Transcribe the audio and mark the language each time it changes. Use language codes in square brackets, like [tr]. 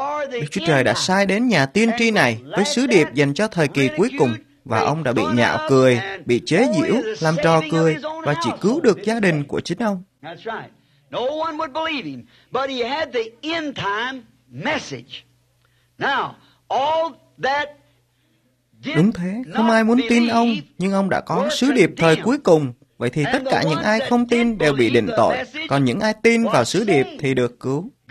[vi] Đức Chúa Trời đã sai đến nhà tiên tri này với sứ điệp dành cho thời kỳ cuối cùng. Và ông đã bị nhạo cười, bị chế giễu, làm trò cười và chỉ cứu được gia đình của chính ông. [en] No one would believe him, but he had the end time message. Now, all that [vi] đúng thế, không ai muốn tin ông, nhưng ông đã có sứ điệp thời cuối cùng, Vậy thì tất cả những ai không tin đều bị định tội, còn những ai tin vào sứ điệp thì được cứu.